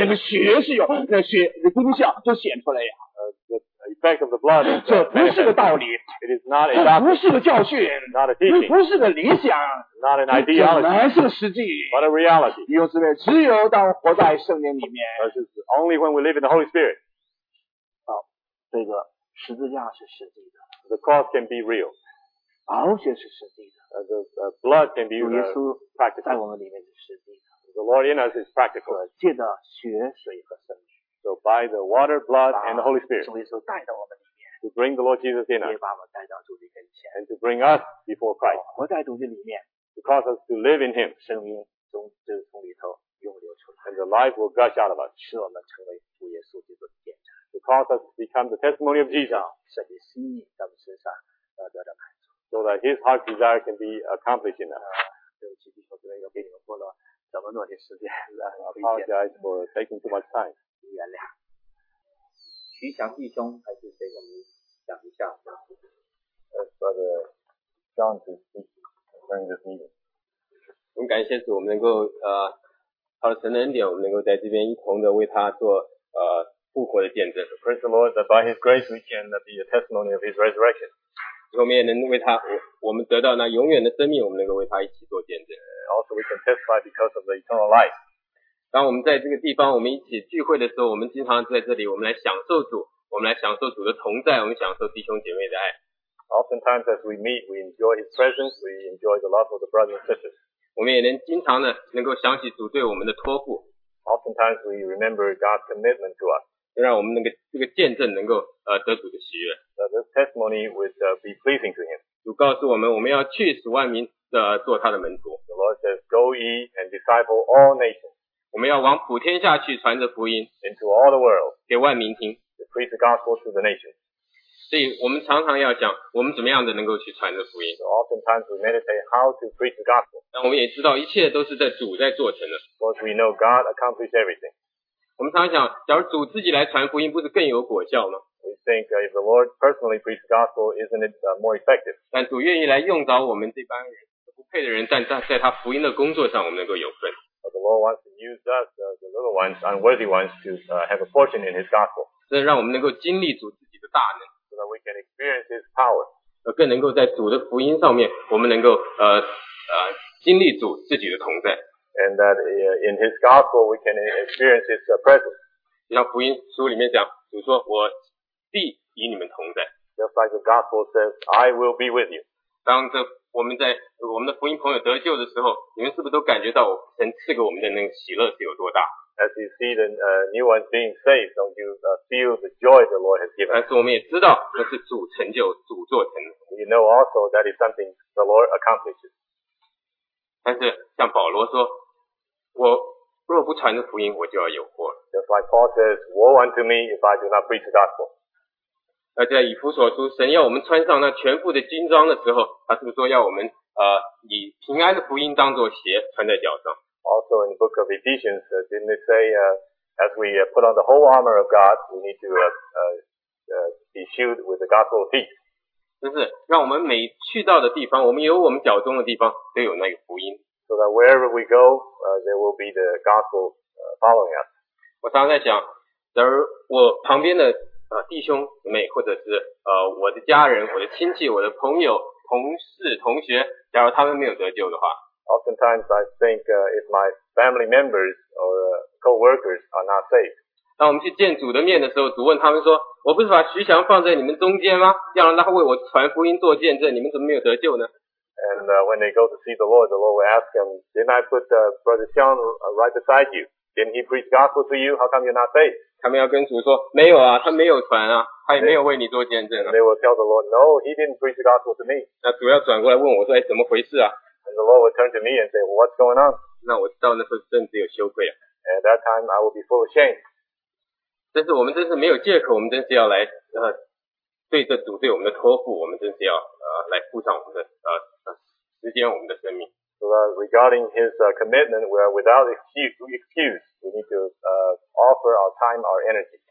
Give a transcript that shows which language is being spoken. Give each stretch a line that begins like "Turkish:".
Chinese: 那个血是有那血的功效都显出来呀
English: Effect of the blood.
Chinese: 这不是个道理。
English: It is not a doctrine.
Chinese: 这不是个教训。
English: Not a teaching.
Chinese: 这不是个理想。
English: Not an ideology.
Chinese: 这乃是个实际。
English: But a reality.
Chinese: 弟兄姊妹，只有当活在圣灵里面。
English: But it's only when we live in the Holy Spirit.
Chinese: 好，这个十字架是实际的。
English: The cross can be real.
Chinese: 宝血是实际的。
English: The blood can be practical.
Chinese: 主耶稣在我们里面是实际的。
English: The Lord in us is practical.
Chinese: 借着血水和圣灵。
English: So by the water, blood, and the Holy Spirit,
Chinese: 主耶稣带到我们里面
English: to bring the Lord Jesus in us,
Chinese: 也把我们带到主的跟前
English: and to bring us before Christ,
Chinese: 活在主的里面
English: to cause us to live in Him,
Chinese: 生命中就从里头涌流出来
English: and the life will gush out of us,
Chinese: 使我们成为主耶稣基督的见证
English: to cause us to become the testimony of Jesus,
Chinese: 神的心意在我们身上得到满足
English: so that His heart's desire can be accomplished in us.
Chinese: 对不起，弟兄姊妹，又给你们拨了这么多的时间
English: apologize for taking too much time.
Chinese: 原谅徐翔弟兄还是谁我们讲一下
English: Brother John to speak during this meeting
Chinese: 我们感谢主我们能够靠着神的恩典我们能够在这边一同的为他做复活的见证
English: Praise the Lord that by His grace we can be a testimony of His resurrection
Chinese: 我们也能为他 我们得到那永远的生命我们能够为他一起做见证
English: Also we can testify because of the eternal life
Chinese: 当我们在这个地方我们一起聚会的时候我们经常在这里我们来享受主我们来享受主的同在我们享受弟兄姐妹的爱
English: Oftentimes as we meet we enjoy His presence we enjoy the love of the brothers and sisters
Chinese: 我们也能经常的能够想起主对我们的托付
English: Oftentimes we remember God's commitment to us
Chinese: 就让我们那个这个见证能够得主的喜悦
English: That this testimony would be pleasing to Him
Chinese: 主告诉我们我们要去使万民的做他的门徒
English: The Lord says go ye and disciple all nations
Chinese: 我们要往普天下去传着福音
English: into all the world,
Chinese: 给万民听
English: to preach the gospel to the nation
Chinese: 所以我们常常要讲我们怎么样的能够去传着福音
English: so oftentimes we meditate how to preach the gospel
Chinese: 但我们也知道一切都是在主在做成的
English: because we know God accomplished everything
Chinese: 我们常常想假如主自己来传福音不是更有果效吗
English: we think if the Lord personally preach the gospel isn't it more effective
Chinese: 但主愿意来用着我们这般人不配的人但在他福音的工作上我们能够有份
English: The Lord wants to use us, the little ones, unworthy ones, to have a portion in His gospel.
Chinese: 这让我们能够经历主自己的大能
English: so that we can experience His power.
Chinese: 更能够在主的福音上面，我们能够经历主自己的同在
English: And that in His gospel, we can experience His presence.
Chinese: 就像福音书里面讲，主说我必与你们同在
English: Just like the gospel says, I will be with you.
Chinese: 当这我们在我们的福音朋友得救的时候，你们是不是都感觉到神赐给我们的那个喜乐是有多大
English: ？As you see the new ones being saved, don't you feel the joy the Lord has given?
Chinese: 但是我们也知道那是主成就、主做成。
English: You know also that is something the Lord accomplishes.
Chinese: 但是像保罗说，我若不传福音，我就要有祸。
English: Just like Paul says, woe unto me if I do not preach the gospel.
Chinese: 那在以弗所书，神要我们穿上那全副的军装的时候，他是不是说要我们以平安的福音当作鞋穿在脚上？
English: Also in the book of Ephesians, didn't it say, as we put on the whole armor of God, we need to be shielded with the gospel of peace.
Chinese: 就是让我们每去到的地方，我们有我们脚中的地方，都有那个福音。
English: So that wherever we go, there will be the gospel following us.
Chinese: 我常常在想，假如我旁边的弟兄姊妹，或者是我的家人、我的亲戚、我的朋友、同事、同学，假如他们没有得救的话。
English: Oftentimes I think if my family members or co-workers are not saved.
Chinese: 当我们去见主的面的时候，主问他们说，我不是把徐翔放在你们中间吗？要让他为我传福音做见证，你们怎么没有得救呢？
English: And when they go to see the Lord will ask him, didn't I put Brother Xiang right beside you? Didn't he preach gospel to you? How come you're not saved?
Chinese: 他们要跟主说，没有啊，他没有传啊，他也没有为你做见证啊。
English: They will tell the Lord, no, he didn't preach gospel to me.
Chinese: 那主要转过来问我说，哎，怎么回事啊？
English: And the Lord will turn to me and say, well, what's going on?
Chinese: 那我到那时候真的有羞愧啊。
English: At that time, I will be full of shame.
Chinese: 但是我们真是没有借口，我们真是要来对着主对我们的托付，我们真是要来付上我们的时间，我们的生命。
English: So regarding his commitment, we are without excuse. We need to offer our time, our energy.